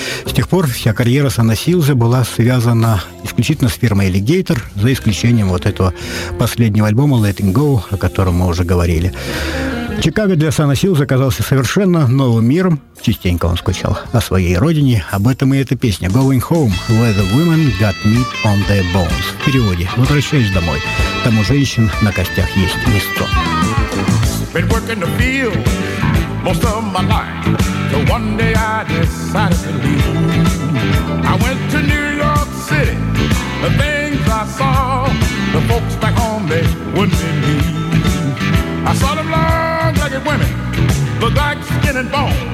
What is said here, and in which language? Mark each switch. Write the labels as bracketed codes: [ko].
[ru] С тех пор вся карьера Сана Силза была связана исключительно с фирмой «Аллигейтор», за исключением вот этого последнего альбома «Letting Go», о котором мы уже говорили. Чикаго для Сана Силза оказался совершенно новым миром. Частенько он скучал о своей родине. Об этом и эта песня «Going Home, Where the Women Got Meat on Their Bones». В переводе «Возвращаюсь домой, там у женщин на костях есть место». [en] Been working the field most of my life. One day I decided to leave. I went to New York City. The things I saw the folks back home, they wouldn't believe. I saw them long-legged women, looked like skin and bone.